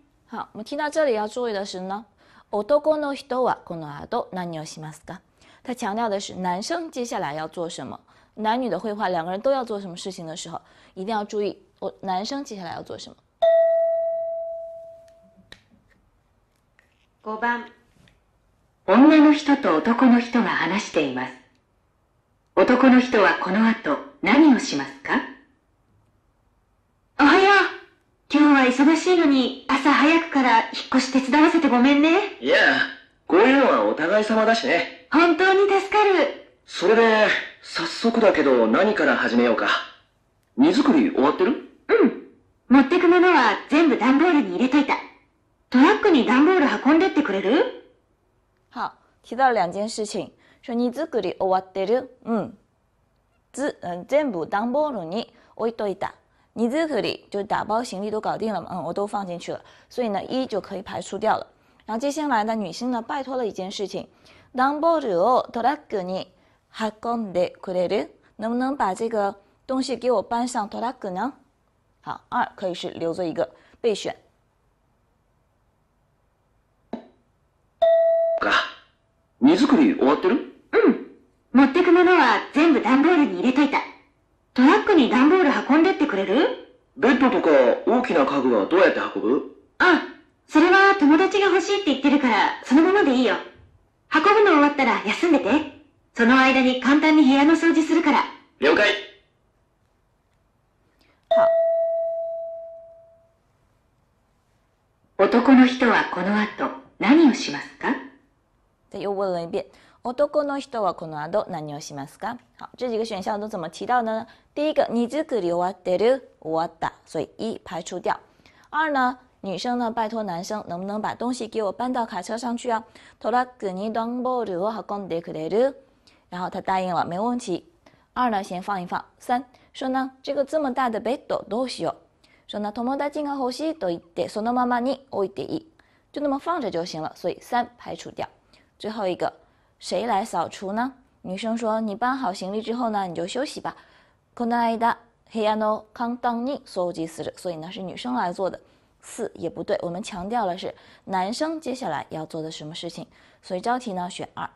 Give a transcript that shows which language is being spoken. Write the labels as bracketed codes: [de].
[zh] 好，我们听到这里要注意的是呢， [ja] 男の人はこの後何をしますか？ [zh] 他强调的是男生接下来要做什么。男女的绘画，两个人都要做什么事情的时候，一定要注意，男生接下来要做什么。 [ja] 5番，女の人と男の人が話しています。男の人はこの後何をしますか？おはよう。今日は忙しいのに朝早くから引っ越し手伝わせてごめんね。いや、こういうのはお互い様だしね。本当に助かる。それで早速だけど何から始めようか。荷造り終わってる？うん。持ってくものは全部段ボールに入れといた。トラックに段ボール運んでってくれる？ [zh] 好、提到两件事情。说 [ja] 荷造り終わってる？うん。全部段ボールに置いといた。荷造り [zh] 就打包行李都搞定了，嗯，我都放进去了，所以呢，一就可以排除掉了。然后接下来呢，女性呢拜托了一件事情， [ja] 段ボールをトラックに運んでくれる？ [zh] 能不能把这个东西给我搬上トラック呢？好，二可以是留着一个备选。 [ja] か、荷造り終わってる？うん。持ってくものは全部段ボールに入れといた。トラックに段ボール運んでってくれる？ベッドとか大きな家具はどうやって運ぶ？あ、それは友達が欲しいって言ってるからそのままでいいよ。運ぶの終わったら休んでて。その間に簡単に部屋の掃除するから。了解。好。男の人はこの後何をしますか？ [zh] 再又问了一遍。 [ja] 男の人はこの後何をしますか？ [zh] 好，这几个选项都怎么提到呢？第一个， [ja] 荷造り終わってる，終わった， [zh] 所以一排除掉。二呢，女生呢拜托男生能不能把东西给我搬到卡车上去啊？ [ja] トラックに段ボールを運んでくれる？ [zh] 然后他答应了，没问题。二呢，先放一放。三，说呢，这个这么大的 [ja] ベッドどうしよう？ [zh] 说呢， [ja] 友達が欲しいと言ってそのままに置いていい， [zh] 就那么放着就行了。所以三排除掉。最后一个。谁来扫除呢？女生说：“你搬好行李之后呢，你就休息吧。” [ja] この間、部屋の簡単に掃除する， [zh] 所以呢是女生来做的。四也不对，我们强调了是男生接下来要做的什么事情，所以这道题呢选二。